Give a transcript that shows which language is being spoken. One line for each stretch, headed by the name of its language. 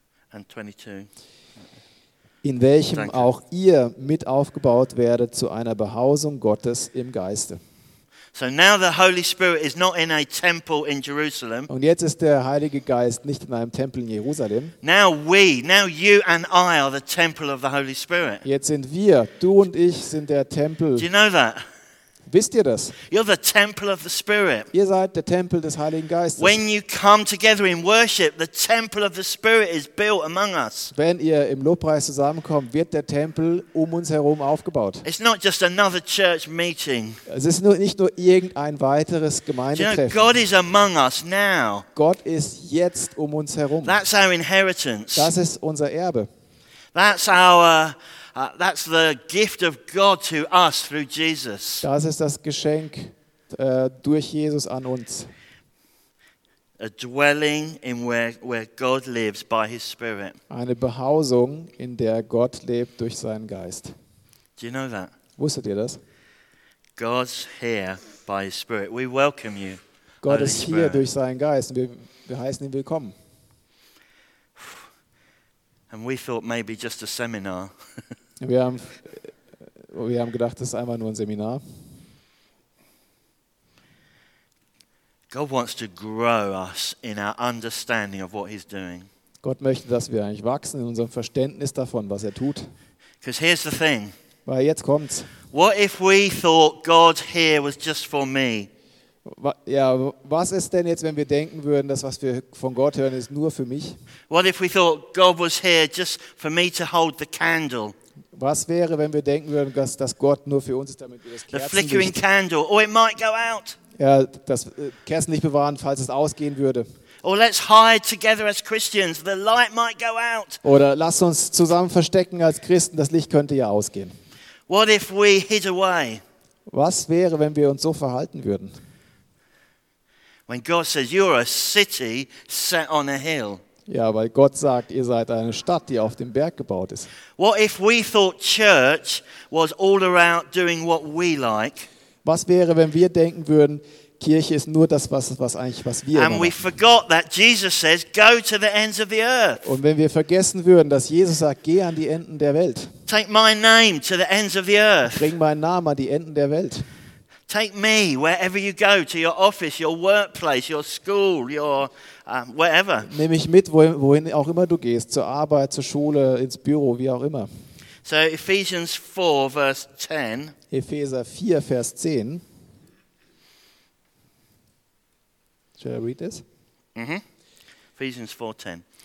English: And 22.
German: In welchem Danke. Auch ihr mit aufgebaut werdet zu einer Behausung Gottes im Geiste.
English: So now the Holy Spirit is not in a temple in Jerusalem.
German: Und jetzt ist der Heilige Geist nicht in einem Tempel in Jerusalem.
English: Now you and I are the temple of the Holy Spirit.
German: Jetzt sind wir, du und ich, sind der Tempel.
English: Do you know that?
German: Wisst ihr das?
English: You're the temple of the Spirit.
German: Ihr seid der Tempel des Heiligen Geistes.
English: When you come together in worship, the temple of the Spirit is built among us.
German: Wenn ihr im Lobpreis zusammenkommt, wird der Tempel um uns herum aufgebaut.
English: It's not just another church meeting.
German: Es ist nur nicht nur irgendein weiteres Gemeindetreffen.
English: You know, God is among us now.
German: Gott ist jetzt um uns herum.
English: That's our inheritance.
German: Das ist unser Erbe.
English: That's the gift of God to us through Jesus.
German: Das ist das Geschenk durch Jesus an uns.
English: A dwelling in where God lives by His Spirit.
German: Eine Behausung, in der Gott lebt durch seinen Geist.
English: Do you know that?
German: Wusstet ihr das?
English: God's here by His Spirit. We welcome you.
German: Gott ist hier durch seinen Geist. Wir heißen ihn willkommen.
English: And we thought maybe just a seminar.
German: Wir haben gedacht, das ist einfach nur ein Seminar.
English: God wants to grow us in our understanding of what He's doing.
German: Gott möchte, dass wir eigentlich wachsen in unserem Verständnis davon, was er tut.
English: Because here's the thing.
German: Weil jetzt kommt's.
English: What if we thought God here was just for me?
German: Ja, was ist denn jetzt, wenn wir denken würden, das, was wir von Gott hören, ist nur für mich?
English: What if we thought God was here just for me to hold the candle?
German: Was wäre, wenn wir denken würden, dass Gott nur für uns ist, damit wir das Kerzenlicht?
English: The flickering candle, or it might go out.
German: Ja, das Kerzenlicht bewahren, falls es ausgehen würde.
English: Or let's hide together as Christians, the light might go out.
German: Oder lass uns zusammen verstecken als Christen, das Licht könnte ja ausgehen.
English: What if we hid away?
German: Was wäre, wenn wir uns so verhalten würden?
English: When God says you're a city set on a hill.
German: Ja, weil Gott sagt, ihr seid eine Stadt, die auf dem Berg gebaut ist.
English: What if we thought church was all around doing what we like?
German: Was wäre, wenn wir denken würden, Kirche ist nur das, was wir machen?
English: And we forgot that Jesus says go to the ends of the earth.
German: Und wenn wir vergessen würden, dass Jesus sagt, geh an die Enden der Welt.
English: Take my name to the ends of the earth.
German: Bring meinen Namen an die Enden der Welt.
English: Take me wherever you go, to your office, your workplace, your school, your wherever.
German: Nimm mich mit, wohin auch immer du gehst, zur Arbeit, zur Schule, ins Büro, wie auch immer.
English: So Ephesians 4, verse 10.
German: Epheser 4, Vers 10.
English: Shall I read this? Mm-hmm. Ephesians 4, 10.